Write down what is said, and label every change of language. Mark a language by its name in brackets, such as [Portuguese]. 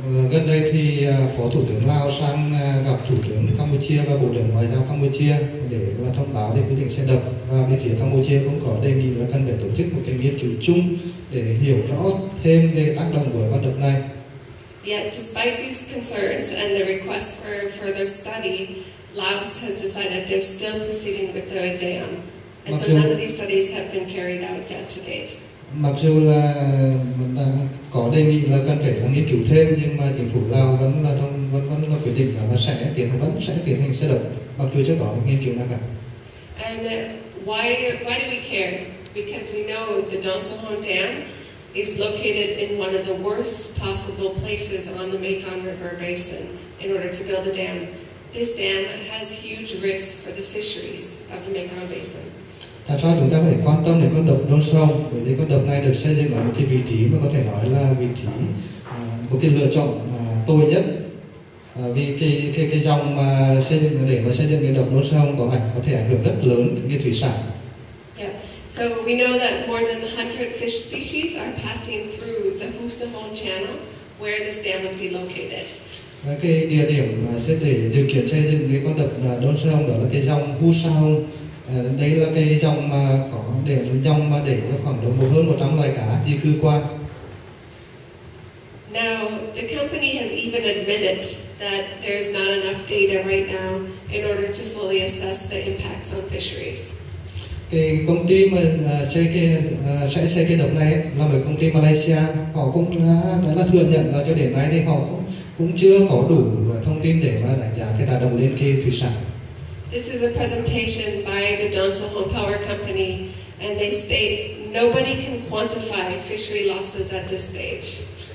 [Vietnamese] Gần đây thì Phó Thủ tướng Lào sang gặp Thủ tướng Campuchia và Bộ trưởng Ngoại giao Campuchia để thông báo về quyết định xây đập, và bên phía Campuchia cũng có đề nghị là cần phải tổ chức một cái nghiên cứu chung để hiểu rõ thêm về tác động của con đập này. [English] Yet despite these concerns and the request for further study, Laos has decided they're still proceeding with the dam, and so none of these studies have been carried out yet to date. [Vietnamese] Mặc dù là có đề nghị là cần phải là nghiên cứu thêm, nhưng mà chính phủ Lào vẫn là quyết định là sẽ tiến hành xây đập mặc dù chưa có nghiên cứu nào cả. [English] And why do we care? Because we know the Dong Son Dam is located in one of the worst possible places on the Mekong River Basin. In order to build a dam, this dam has huge risks for the fisheries of the Mekong Basin. [Vietnamese] Tại sao chúng ta có thể quan tâm đến con đập Đông Sông? Bởi vì con đập này được xây dựng ở một cái vị trí mà có thể nói là vị trí có cái lựa chọn tồi nhất, vì cái dòng mà xây dựng để mà xây dựng cái đập Đông Sông có thể ảnh hưởng rất lớn đến cái thủy sản. [English] Yeah, so we know that more than 100 fish species are passing through the Husahon Channel where this dam would be located. [Vietnamese] Cái địa điểm mà sẽ để dự kiến xây dựng cái con đập Đông Sông đó là cái dòng Husahon. Đây là cái dòng mà có để dòng mà để khoảng độ hơn 100 loài cá di cư qua. [English] Now the company has even admitted that there's not enough data right now in order to fully assess the impacts on fisheries. [Vietnamese] Cái công ty mà xây cái đập này là một công ty Malaysia, họ cũng đã thừa nhận là cho đến nay thì họ cũng chưa có đủ thông tin để mà đánh giá cái tác động lên cái thủy sản. [English] This is a presentation by the Dong Son Hong Power Company, and they state nobody can quantify fishery losses at this stage.